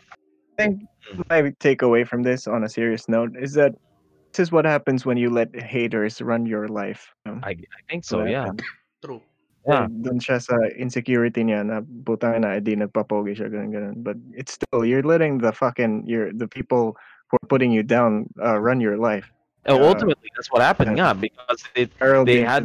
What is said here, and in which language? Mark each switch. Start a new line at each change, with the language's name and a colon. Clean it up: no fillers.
English: I think my takeaway from this, on a serious note, is that this is what happens when you let haters run your life. I think so. Yeah. True. Yeah.
Filipino: Dun siya sa insecurity niya na butana ay di nagpapogi siya ganon.
English: But it's still you're letting the people who are putting you down run your life. And ultimately, that's what happened, because they had